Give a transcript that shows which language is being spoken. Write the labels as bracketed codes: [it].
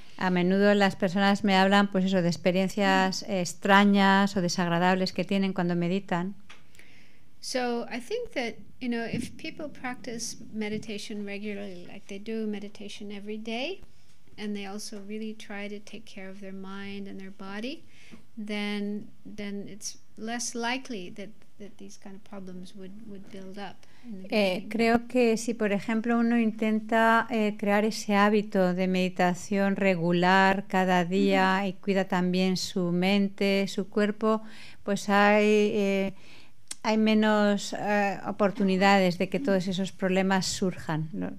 [es] A menudo las personas me hablan, pues eso, de experiencias extrañas o desagradables que tienen cuando meditan. [en] So I think that, you know, if people practice meditation regularly, like they do meditation every day, and they also really try to take care of their mind and their body, then it's less likely that these kind of problems would build up. [es] Creo que si, por ejemplo, uno intenta crear ese hábito de meditación regular cada día y cuida también su mente, su cuerpo, pues hay menos oportunidades de que todos esos problemas surjan.